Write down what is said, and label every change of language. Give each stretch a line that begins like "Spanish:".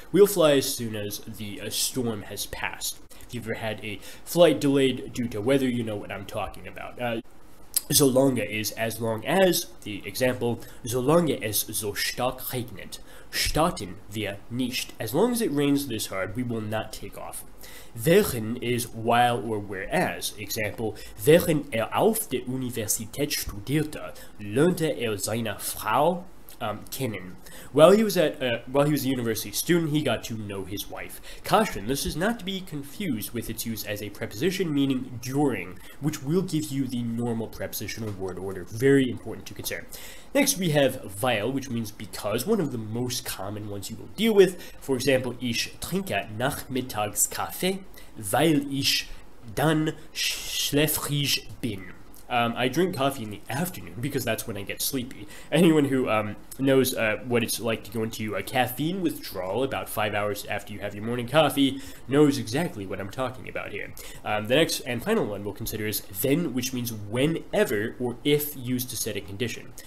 English: We'll fly as soon as the storm has passed. If you've ever had a flight delayed due to weather, you know what I'm talking about.
German: Solange
English: is as long as, the example,
German: solange es so stark regnet, starten wir nicht.
English: As long as it rains this hard, we will not take off. Während is while or whereas. Example,
German: während auf der Universität studierte, lernte seine Frau kennen.
English: While he was a university student, he got to know his wife. Caution, this is not to be confused with its use as a preposition meaning during, which will give you the normal prepositional word order. Very important to consider. Next, we have weil, which means because, one of the most common ones you will deal with. For example,
German: ich trinke nachmittags Kaffee, weil ich dann schläfrig bin.
English: I drink coffee in the afternoon because that's when I get sleepy. Anyone who knows what it's like to go into a caffeine withdrawal about 5 hours after you have your morning coffee knows exactly what I'm talking about here. The next and final one we'll consider is wenn, which means whenever or if used to set a condition.